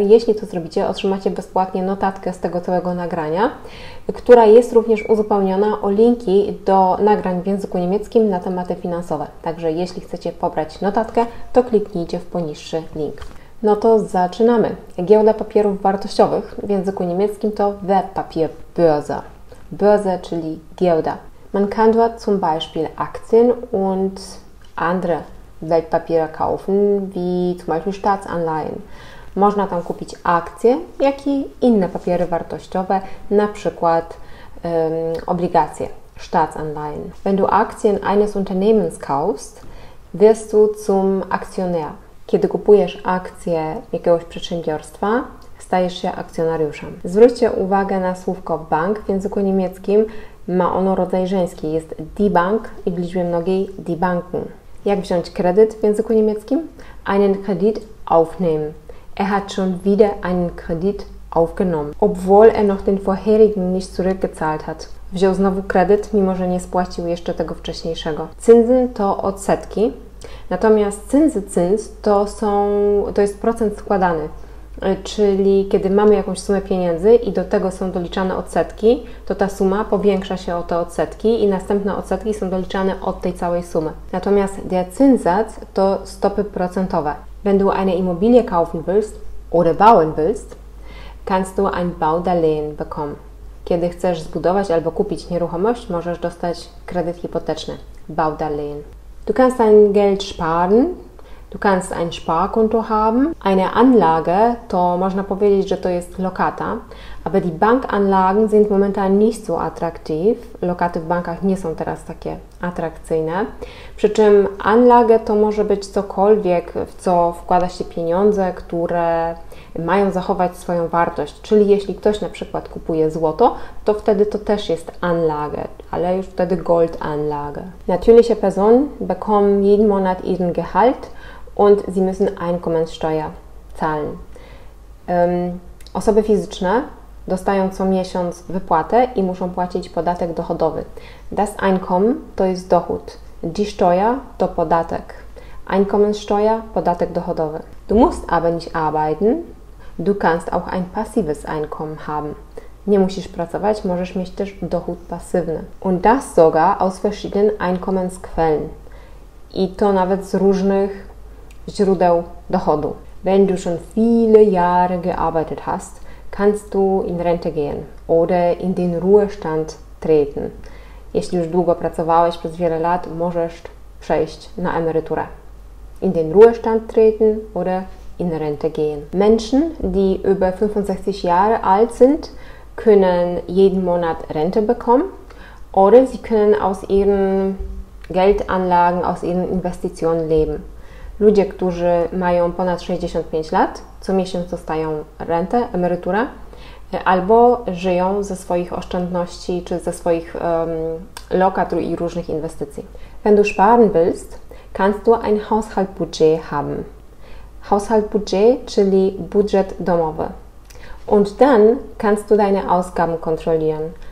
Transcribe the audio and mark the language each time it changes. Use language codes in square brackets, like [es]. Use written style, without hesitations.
[pl] Jeśli to zrobicie, otrzymacie bezpłatnie notatkę z tego całego nagrania, która jest również uzupełniona o linki do nagrań w języku niemieckim na tematy finansowe. Także jeśli chcecie pobrać notatkę, to kliknijcie w poniższy link. No to zaczynamy. Giełda papierów wartościowych w języku niemieckim to Wertpapierbörse. Börse, czyli giełda. [de] Man kann dort zum Beispiel Aktien und andere Wertpapiere kaufen, wie zum Beispiel Staatsanleihen. [pl] Można tam kupić akcje, jak i inne papiery wartościowe, na przykład obligacje, Staatsanleihen. [de] Wenn du Aktien eines Unternehmens kaufst, wirst du zum Aktionär. [pl] Kiedy kupujesz akcje jakiegoś przedsiębiorstwa, stajesz się akcjonariuszem. Zwróćcie uwagę na słówko bank w języku niemieckim. Ma ono rodzaj żeński, jest die Bank i w liczbie mnogiej die Banken. Jak wziąć kredyt w języku niemieckim? [de] Einen Kredit aufnehmen. Er hat schon wieder einen Kredit aufgenommen, obwohl er noch den vorherigen nicht zurückgezahlt hat. [pl] Wziął znowu kredyt, mimo że nie spłacił jeszcze tego wcześniejszego. Zinsen to odsetki, natomiast zins to jest procent składany, czyli kiedy mamy jakąś sumę pieniędzy i do tego są doliczane odsetki, to ta suma powiększa się o te odsetki i następne odsetki są doliczane od tej całej sumy. Natomiast der Zinssatz to stopy procentowe. [de] Wenn du eine Immobilie kaufen willst oder bauen willst, kannst du ein Baudarlehen bekommen. [pl] Kiedy chcesz zbudować albo kupić nieruchomość, możesz dostać kredyt hipoteczny, Baudarlehen. [de] Du kannst dein Geld sparen. Du kannst ein Sparkonto haben. [pl] Eine Anlage, to można powiedzieć, że to jest lokata. [de] Aber die Bankanlagen sind momentan nicht so attraktiv. [pl] Lokaty w bankach nie są teraz takie atrakcyjne. Przy czym Anlage to może być cokolwiek, w co wkłada się pieniądze, które mają zachować swoją wartość. Czyli jeśli ktoś na przykład kupuje złoto, to wtedy to też jest Anlage, ale już wtedy Goldanlage. [de] Natürliche Personen bekommen jeden Monat ihren Gehalt und sie müssen Einkommensteuer zahlen. [pl] Osoby fizyczne dostają co miesiąc wypłatę i muszą płacić podatek dochodowy. Das Einkommen to jest dochód. Die Steuer to podatek. Einkommensteuer, podatek dochodowy. [de] Du musst aber nicht arbeiten. Du kannst auch ein passives Einkommen haben. [pl] Nie musisz pracować, możesz mieć też dochód pasywny. [de] Und das sogar aus verschiedenen Einkommensquellen. [pl] I to nawet z różnych źródeł dochodu. [de] Wenn du schon viele Jahre gearbeitet hast, kannst du in Rente gehen oder in den Ruhestand treten. [pl] Jeśli już długo pracowałeś przez wiele lat, możesz przejść na emeryturę. [de] In den Ruhestand treten oder in Rente gehen. Menschen, die über 65 Jahre alt sind, können jeden Monat Rente bekommen oder sie können aus ihren Geldanlagen, aus ihren Investitionen leben. [pl] Ludzie, którzy mają ponad 65 lat, co miesiąc dostają rentę, emeryturę, albo żyją ze swoich oszczędności czy ze swoich lokat i różnych inwestycji. [de] Wenn du sparen willst, kannst du ein Haushaltbudget haben. [pl] Haushaltbudget, czyli budżet domowy. [de] Und dann kannst du deine Ausgaben kontrollieren.